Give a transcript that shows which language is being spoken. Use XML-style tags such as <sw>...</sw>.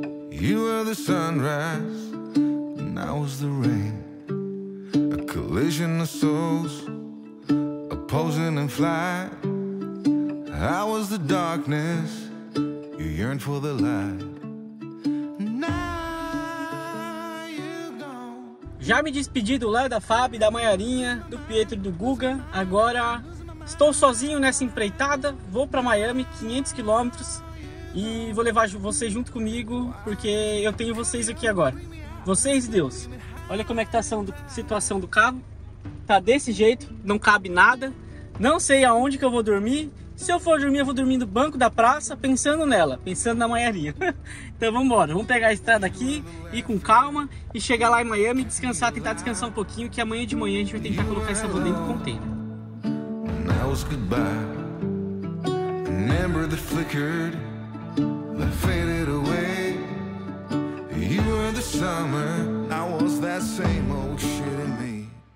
<en>You were the sunrise, and I was the rain. A collision of souls, opposing in flight. I was the darkness, you yearned for the light. Now you go.</en> <pt>Já me despedi do Léo, da Fabi, da Maiarinha, do Pietro e do Guga. Agora estou sozinho nessa empreitada. Vou para Miami, 500 quilômetros. E vou levar vocês junto comigo, porque eu tenho vocês aqui agora. Vocês e Deus. Olha como é que tá a situação do carro. Tá desse jeito, não cabe nada. Não sei aonde que eu vou dormir. Se eu for dormir, eu vou dormir no banco da praça, pensando nela, pensando na Maiarinha. Então vamos embora, vamos pegar a estrada aqui, ir com calma e chegar lá em Miami, descansar, tentar descansar um pouquinho, que amanhã de manhã a gente vai tentar colocar essa bunda dentro do container.</pt> <en>Now it's goodbye. An ember that flickered. That faded away. You were the summer. I was that same old shit in me.</en>